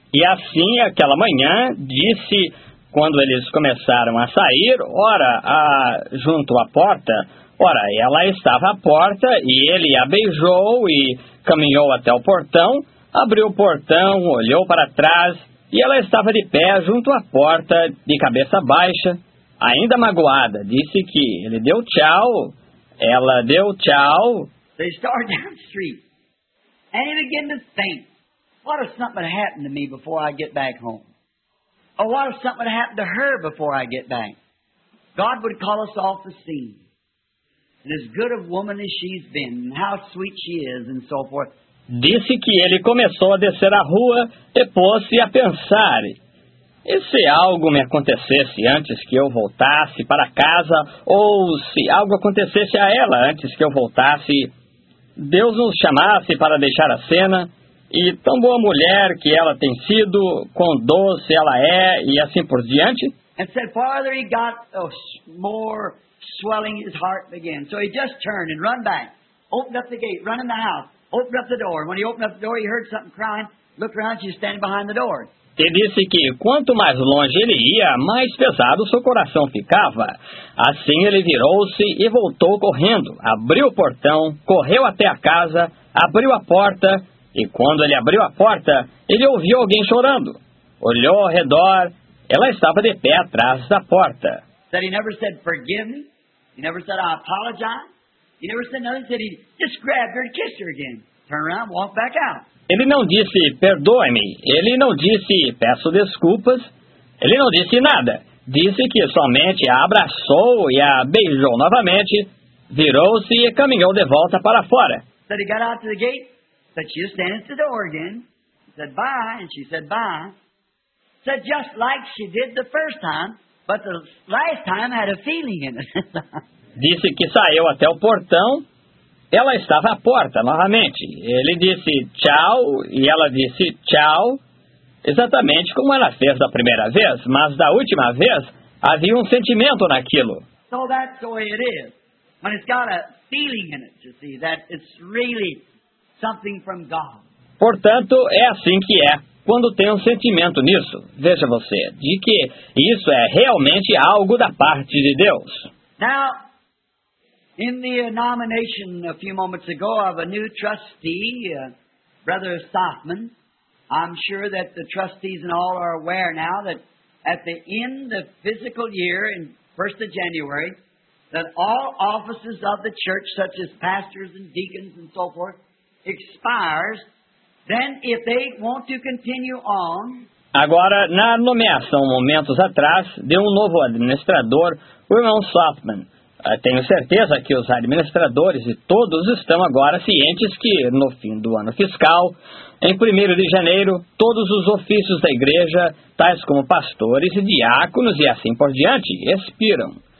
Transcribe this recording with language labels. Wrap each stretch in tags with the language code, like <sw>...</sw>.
<pt>E assim, aquela manhã, disse, quando eles começaram a sair, junto à porta, ela estava à porta, e ele a beijou e caminhou até o portão, abriu o portão, olhou para trás. E ela estava de pé junto à porta, de cabeça baixa, ainda magoada. Disse que ele deu tchau, ela deu tchau.</pt> <en>They started down the street. And he began to think, what if something had happened to me before I get back home? Or what if something had happened to her before I get back? God would call us off the scene. And as good a woman as she's been, and how sweet she is, and so forth.</en> <pt>Disse que ele começou a descer a rua e pôs-se a pensar. E se algo me acontecesse antes que eu voltasse para casa, ou se algo acontecesse a ela antes que eu voltasse, Deus nos chamasse para deixar a cena, e tão boa mulher que ela tem sido, quão doce ela é, e assim por diante. E disse,</pt> <en>"Father, he got more swelling his heart again." So he just turned and run back, opened up the gate, run in the house. Opened up the door. When he opened up the door, he heard something crying. Looked around, she was standing behind the door.</en> <pt>e disse que quanto mais longe ele ia, mais pesado seu coração ficava. Assim ele virou-se e voltou correndo, abriu o portão, correu até a casa, abriu a porta, e quando ele abriu a porta, ele ouviu alguém chorando. Olhou ao redor, ela estava de pé atrás da porta.</pt> <en>Said he never said forgive me, he never said I apologize, he never said nothing, said he just grabbed her and kissed her again, turned around, walked back out.</en> <pt>Ele não disse, perdoe-me. Ele não disse, peço desculpas. Ele não disse nada. Disse que somente a abraçou e a beijou novamente, virou-se e caminhou de volta para fora.</pt> <en>Said he got out to the gate, said she was standing at the door again, said bye, and she said bye. Said just like she did the first time, but the last time had a feeling in it.</en> <pt>Disse que saiu até o portão. Ela estava à porta novamente. Ele disse tchau e ela disse tchau, exatamente como ela fez da primeira vez, mas da última vez havia um sentimento naquilo.</pt> <en>So that's the way it is. When it's got a feeling in it, you see, that it's really something from God.</en> <pt>Portanto, é assim que é quando tem um sentimento nisso. Veja você, de que isso é realmente algo da parte de Deus.</pt> <en>Now, in the nomination a few moments ago of a new trustee, Brother Stoffman, I'm sure that the trustees and all are aware now that at the end of physical year, in 1st of January, that all offices of the church, such as pastors and deacons and so forth, expires. Then, if they want to continue on...</en> <pt>Agora, na nomeação momentos atrás, de um novo administrador, o irmão Stoffman. Tenho certeza que os administradores e todos estão agora cientes que, no fim do ano fiscal, em 1º de janeiro, todos os ofícios da igreja, tais como pastores e diáconos e assim por diante, expiram.</pt>